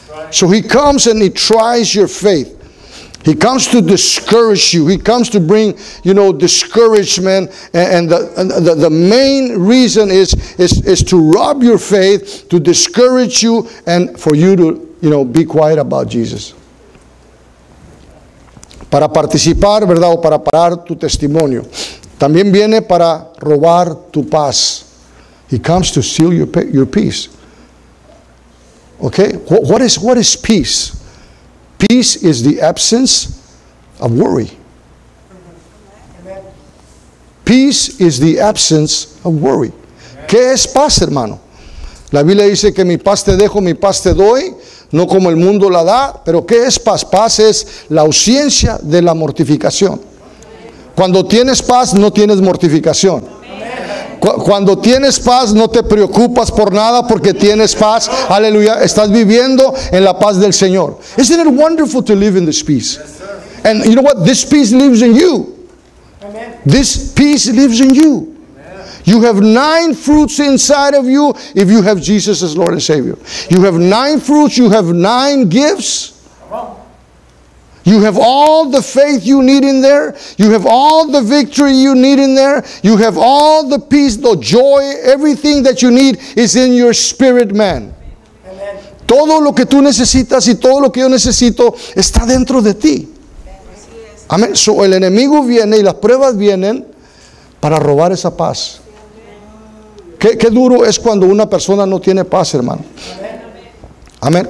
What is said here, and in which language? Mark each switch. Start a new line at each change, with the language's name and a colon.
English: So he comes and he tries your faith. He comes to discourage you. He comes to bring, you know, discouragement. And the main reason is to rob your faith, to discourage you, and for you to, you know, be quiet about Jesus.
Spanish: Para participar, ¿verdad?, o para parar tu testimonio. También viene para robar tu paz.
English: He comes to steal your peace. Okay, what is peace? Peace is the absence of worry. Peace is the absence of worry.
Spanish: ¿Qué es paz, hermano? La Biblia dice que mi paz te dejo, mi paz te doy, no como el mundo la da, pero ¿qué es paz? Paz es la ausencia de la mortificación. Cuando tienes paz, no tienes mortificación. Cuando tienes paz, no te preocupas por nada porque tienes paz. Aleluya, estás viviendo en la paz del Señor.
English: Isn't it wonderful to live in this peace? Yes, sir. And you know what? This peace lives in you. Amen. This peace lives in you. Amen. You have 9 fruits inside of you if you have Jesus as Lord and Savior. You have 9 fruits, you have 9 gifts. You have all the faith you need in there. You have all the victory you need in there. You have all the peace, the joy, everything that you need is in your spirit, man. Amen.
Spanish: Todo lo que tú necesitas y todo lo que yo necesito está dentro de ti. Amen. So el enemigo viene y las pruebas vienen para robar esa paz. qué duro es cuando una persona no tiene paz, hermano. Amén.